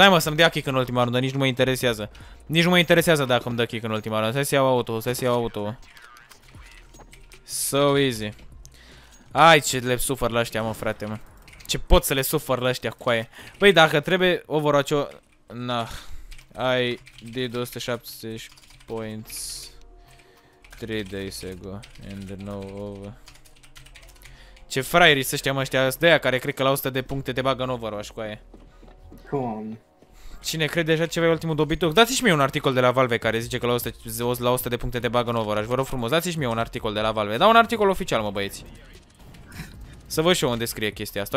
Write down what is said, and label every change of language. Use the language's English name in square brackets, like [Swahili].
[Romanian] Hai, mă, să-mi dea kick în ultima rundă. Nici nu mă interesează. Nici nu mă interesează dacă îmi dă kick în ultima rundă. Să-ți iau auto, să-ți iau auto. [English] So easy. [Romanian] Ai, ce le sufăr la ăștia, mă, frate, mă. Ce pot să le sufăr la ăștia, coaie. Băi, dacă trebuie Overwatch-o... [English] Nah. I did 270 points 3 days ago and no over. [Romanian] Ce fraierii sunt ăștia, mă, ăștia. Sunt de aia care cred că la 100 de puncte te bagă în Overwatch, coaie. Cum? Cine crede așa ceva e ultimul dobitoc? Dați și mie un articol de la Valve care zice că la 100 de puncte te bagă în Overwatch. Vă rog frumos, dați și mie un articol de la Valve. Dau un articol oficial, mă, băieți. Să văd și eu unde scrie chestia asta.